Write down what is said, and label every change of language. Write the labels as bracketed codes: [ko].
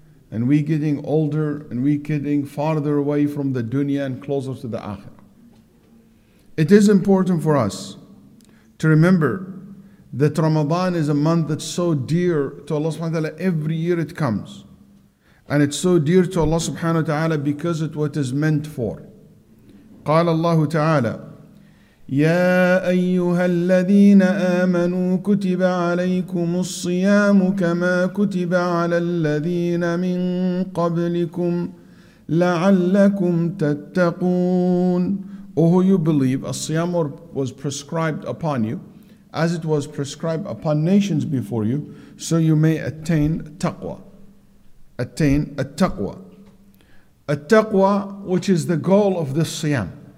[en] And we getting older and we getting farther away from the dunya and closer to the akhirah. It is important for us to remember that Ramadan is a month that's so dear to Allah subhanahu wa ta'ala. Every year it comes. And it's so dear to Allah subhanahu wa ta'ala because it's what is meant for. [ar] قال الله تعالى يا أيها الذين آمنوا كتب عليكم الصيام كما كتب على الذين من قبلكم لعلكم تتقون. [en] O who you believe, a siyam was prescribed upon you as it was prescribed upon nations before you, so you may attain taqwa. Attain at-taqwa. At-taqwa, which is the goal of this siyam.